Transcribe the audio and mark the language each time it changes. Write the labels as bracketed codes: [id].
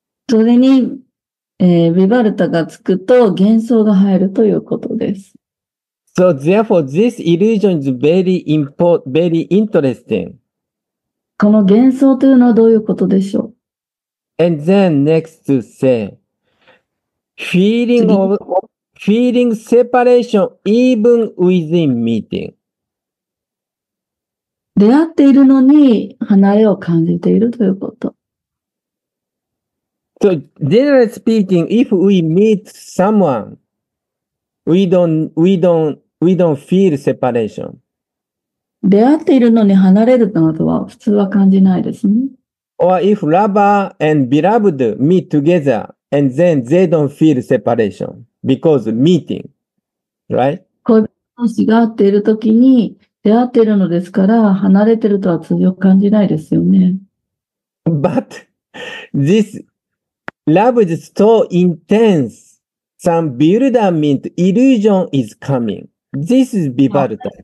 [ja] それに、ビワルタがつくと幻想が入るということです。 [en] So therefore this illusion is very interesting. [ja] この幻想というのはどういうことでしょう? [en] And then next to say, feeling separation even within meeting. [ja] 出会っているのに離れを感じているということ。 [en] So, generally speaking, if we meet someone, we don't feel separation. [ja] 出会っているのに離れるなどは普通は感じないですね。 [en] Or if lover and beloved meet together, and then they don't feel separation because meeting, right? [ja] 恋人同士が会っているときに、出会っているのですから離れているとは通常感じないですよね。 [en] But this love is so intense. Some bewilderment illusion is coming. This is Vivarta.